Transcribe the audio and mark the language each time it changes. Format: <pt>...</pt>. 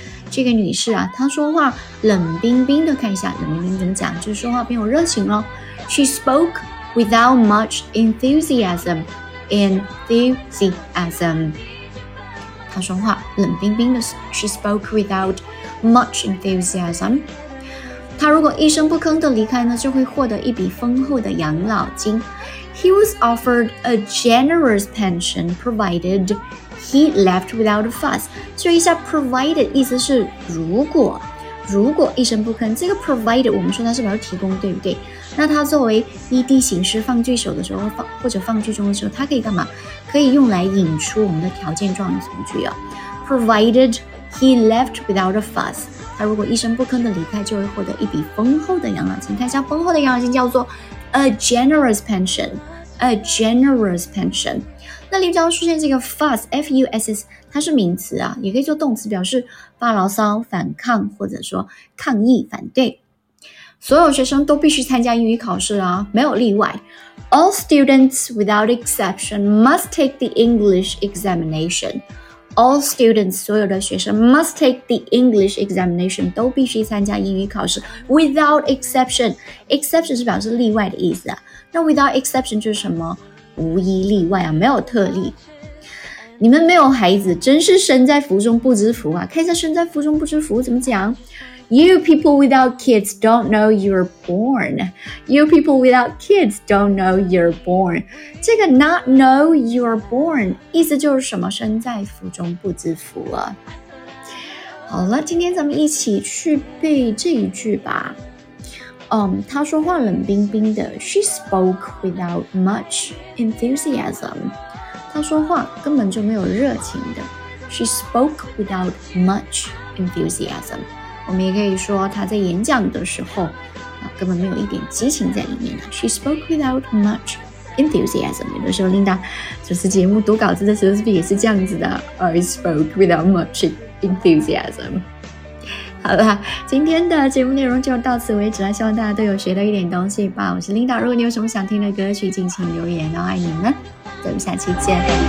<zh>这个女士啊，她说话冷冰冰的，看一下冷冰冰怎么讲，就是说话没有热情咯。</zh> <en>She spoke without much enthusiasmEnthusiasm，</en> <zh>他说话冷冰冰的。</zh> <en>She spoke without much enthusiasm。</en> <zh>他如果一声不吭的离开呢，就会获得一笔丰厚的养老金。</zh> <en>He was offered a generous pension provided he left without a fuss。</en> <zh>注意一下 ，provided 意思是如果一声不吭，这个 provided 我们说它是表示提供，对不对？那它作为 ED 形式放句首的时候，或者放句中的时候，它可以干嘛？可以用来引出我们的条件状语从句啊。</zh> <en>Provided he left without a fuss，</en> <zh>他如果一声不吭的离开，就会获得一笔丰厚的养老金。看一下，丰厚的养老金叫做</zh> <en>a generous pension， a generous pension。</en> <zh>那里边出现这个 fuss， f u s s， 它是名词啊，也可以做动词，表示发牢骚、反抗，或者说抗议、反对。所有学生都必须参加英语考试啊，没有例外。</zh> <en>All students without exception must take the English examination. All students</en> <zh>所有的学生</zh> <en>must take the English examination</en> <zh>都必须参加英语考试。</zh> <en>Without exception，</en> <zh>exception 是表示例外的意思啊。那</zh> <en>without exception</en> <zh>就是什么？无一例外啊，没有特例。你们没有孩子，真是身在福中不知福啊！看一下身在福中不知福怎么讲。</zh> <en>You people without kids don't know you're born. You people without kids don't know you're born.</en> <zh>这个</zh> <en>not know you're born</en> <zh>意思就是什么？身在福中不知福啊。好了，今天咱们一起去背这一句吧。她说话冷冰冰的。</zh> <en>She spoke without much enthusiasm.</en> <zh>她说话根本就没有热情的。</zh> <en>She spoke without much enthusiasm.</en> <zh>我们也可以说她在演讲的时候根本没有一点激情在里面的。</zh> <en>She spoke without much enthusiasm.</en> <zh>有的时候 Linda 主持节目读稿子的时候是不是也是这样子的？</zh> <en>I spoke without much enthusiasm.</en> <zh>好了，今天的节目内容就到此为止了，希望大家都有学到一点东西吧。我是 Linda， 如果你有什么想听的歌曲尽情留言哦，爱你们，咱们下期见。</zh>